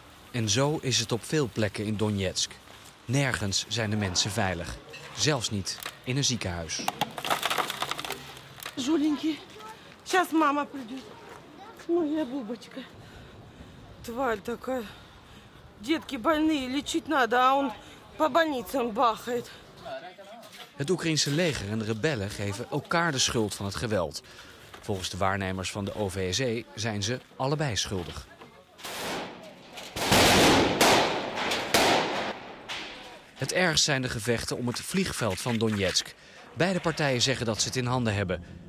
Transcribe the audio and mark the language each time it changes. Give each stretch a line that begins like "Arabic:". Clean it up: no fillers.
Dutch: En zo is het op veel plekken in Donetsk. Nergens zijn de mensen veilig. Zelfs niet in een ziekenhuis.
Russian: Жуленький, сейчас мама придет. Моя бубочка. Тварь такая. Детки больные, лечить надо, а он по больницам бахает.
Dutch: Het Oekraïense leger en de rebellen geven elkaar de schuld van het geweld. Volgens de waarnemers van de OVSE zijn ze allebei schuldig. Het ergst zijn de gevechten om het vliegveld van Donetsk. Beide partijen zeggen dat ze het in handen hebben.